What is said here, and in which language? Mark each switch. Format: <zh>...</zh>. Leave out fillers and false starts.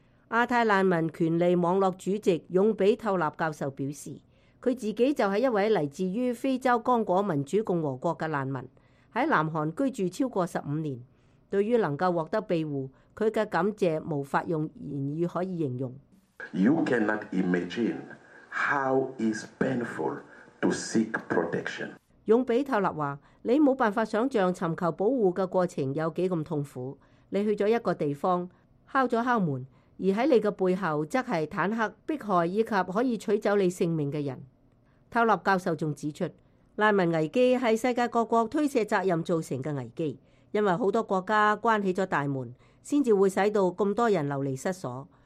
<yue>亚太难民权利网络主席勇比透纳教授表示，他自己就是一位来自于非洲刚果民主共和国的难民，在南韩居住超过15年，对于能够获得庇护，他的感谢无法用言语可以形容。</yue> <en>You cannot imagine how it's painful to seek protection.</en> <yue>勇比透纳说，你没办法想象寻求保护的过程有多痛苦。你去了一个地方，敲了敲门，而在你的背后则是坦克迫害以及可以取走你性命的人。透纳教授还指出，难民危机是世界各国推卸责任造成的危机，因为很多国家关起了大门，才会使到这么多人流离失所。</yue>